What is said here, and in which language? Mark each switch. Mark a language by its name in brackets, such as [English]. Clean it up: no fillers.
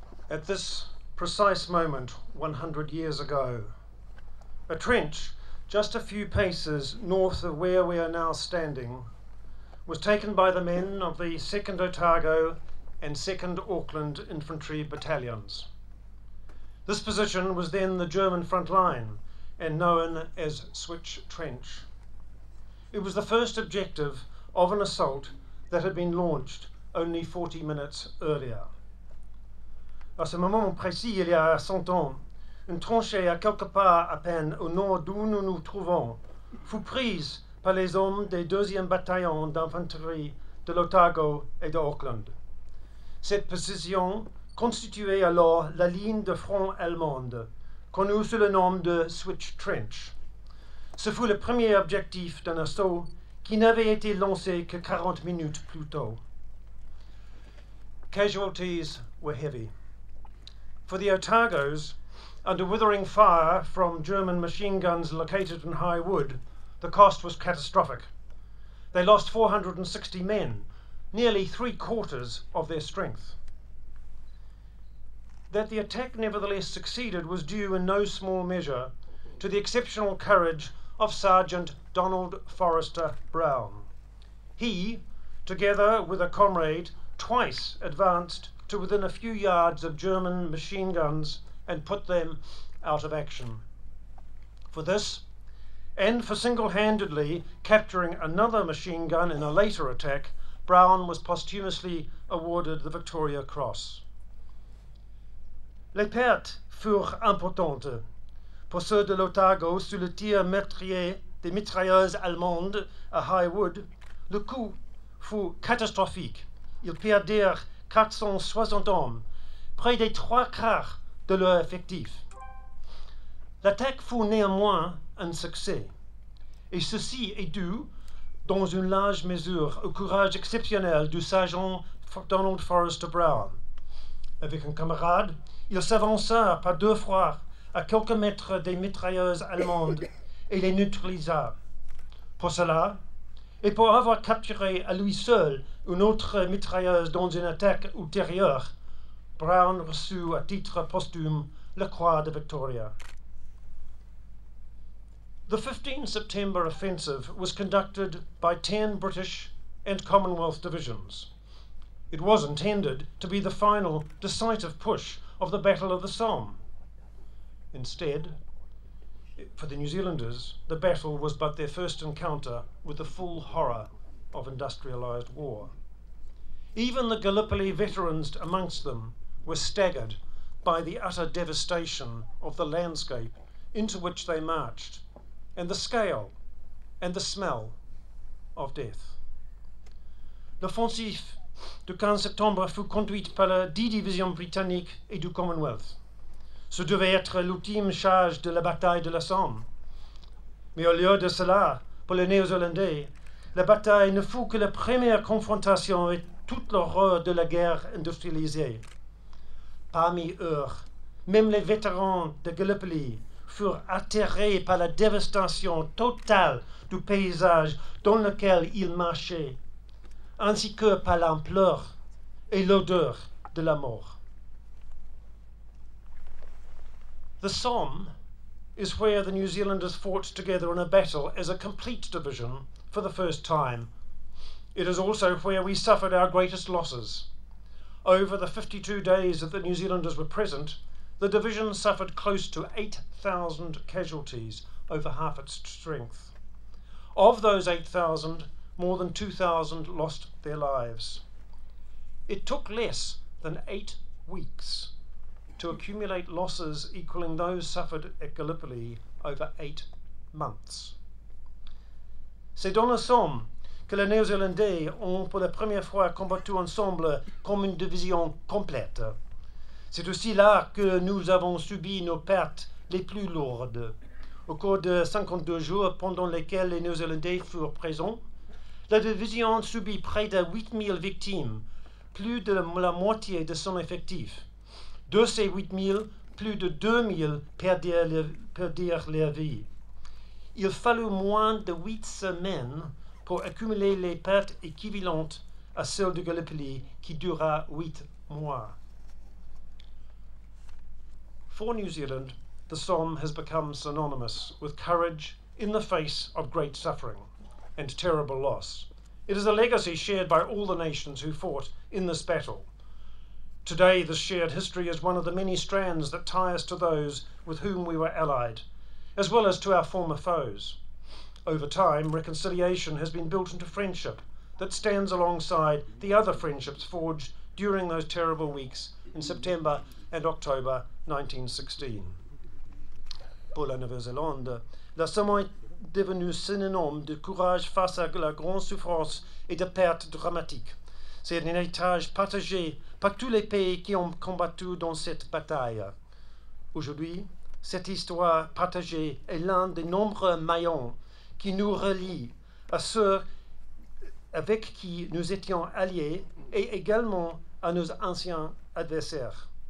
[English] At this precise moment, 100 years ago, a trench just a few paces north of where we are now standing was taken by the men of the 2nd Otago and 2nd Auckland Infantry Battalions. This position was then the German front line and known as Switch Trench. It was the first objective of an assault that had been launched only 40 minutes earlier. [French] À ce moment précis, il y a 100 ans, une tranchée à quelque part à peine au nord d'où nous nous trouvons fut prise par les hommes des 2e bataillon d'infanterie de l'Otago et de Auckland. Cette position constituait alors la ligne de front allemande, connue sous le nom de Switch Trench. Ce fut le premier objectif d'un assaut qui n'avait été lancé que 40 minutes plus tôt. [English] Casualties were heavy. For the Otagos, under withering fire from German machine guns located in high wood, the cost was catastrophic. They lost 460 men, nearly three quarters of their strength. That the attack nevertheless succeeded was due in no small measure to the exceptional courage of Sergeant Donald Forrester Brown. He, together with a comrade, twice advanced to within a few yards of German machine guns and put them out of action. For this, and for single-handedly capturing another machine gun in a later attack, Brown was posthumously awarded the Victoria Cross. [French] Les pertes furent importantes. Pour ceux de l'Otago, sous le tir meurtrier des mitrailleuses allemandes à Highwood, le coup fut catastrophique. Ils perdirent 460 hommes, près des trois quarts de leur effectif. L'attaque fut néanmoins un succès, et ceci est dû, dans une large mesure, au courage exceptionnel du sergent Donald Forrester Brown. Avec un camarade, ils s'avancèrent par deux fois à quelques mètres des mitrailleuses allemandes et les neutralisa. Pour cela, et pour avoir capturé à lui seul une autre mitrailleuse dans une attaque ultérieure, Brown reçut à titre posthume la Croix de Victoria. [English] The 15 September offensive was conducted by 10 British and Commonwealth divisions. It was intended to be the final decisive push of the Battle of the Somme. Instead, for the New Zealanders, the battle was but their first encounter with the full horror of industrialised war. Even the Gallipoli veterans amongst them were staggered by the utter devastation of the landscape into which they marched, and the scale and the smell of death. [French] L'offensive du 15 septembre fut conduite par la 10 division britannique et du Commonwealth. Ce devait être l'ultime charge de la bataille de la Somme. Mais au lieu de cela, pour les Néo-Zélandais, la bataille ne fut que la première confrontation avec toute l'horreur de la guerre industrialisée. Parmi eux, même les vétérans de Gallipoli furent atterrés par la dévastation totale du paysage dans lequel ils marchaient, ainsi que par l'ampleur et l'odeur de la mort. [English] The Somme is where the New Zealanders fought together in a battle as a complete division for the first time. It is also where we suffered our greatest losses. Over the 52 days that the New Zealanders were present, the division suffered close to 8,000 casualties over half its strength. Of those 8,000, more than 2,000 lost their lives. It took less than 8 weeks to accumulate losses equaling those suffered at Gallipoli over 8 months. [French] C'est dans la Somme que les Néo-Zélandais ont pour la première fois combattu ensemble comme une division complète. C'est aussi là que nous avons subi nos pertes les plus lourdes. Au cours de 52 jours pendant lesquels les Néo-Zélandais furent présents, la division subit près de 8000 victimes, plus de la moitié de son effectif. De ces 8000, plus de 2000 perdirent leur vie. Il fallut moins de 8 semaines pour accumuler les pertes équivalentes à celles de Gallipoli qui dura 8 mois. [English] For New Zealand, the Somme has become synonymous with courage in the face of great suffering and terrible loss. It is a legacy shared by all the nations who fought in this battle. Today, this shared history is one of the many strands that tie us to those with whom we were allied, as well as to our former foes. Over time, reconciliation has been built into friendship that stands alongside the other friendships forged during those terrible weeks in September and October 1916. [French] Pour la Nouvelle-Zélande, la Somme est devenue synonyme de courage face à la grande souffrance et de pertes dramatiques. C'est un héritage partagé par tous les pays qui ont combattu dans cette bataille. Aujourd'hui, cette histoire partagée est l'un des nombreux maillons qui nous relie à ceux avec qui nous étions alliés et également à nos anciens adversaires.